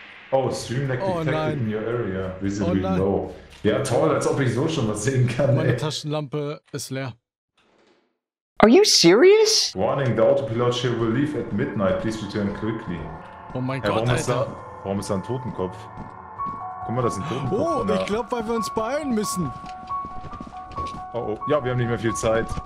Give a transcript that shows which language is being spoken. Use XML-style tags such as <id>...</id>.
<en>Oh, Stream Deck detected in your area. Visibly low.</en> <de>Ja, toll, als ob ich so schon was sehen kann. Meine Taschenlampe ist leer.</de> <en>Are you serious? Warning, the autopilot ship will leave at midnight. Please return quickly.</en> <de>Oh mein Gott, Alter. Warum ist da ein Totenkopf? Guck mal, da ist ein Totenkopf. Oh, ich glaube, weil wir uns beeilen müssen. Oh, oh. Ja, wir haben nicht mehr viel Zeit.</de>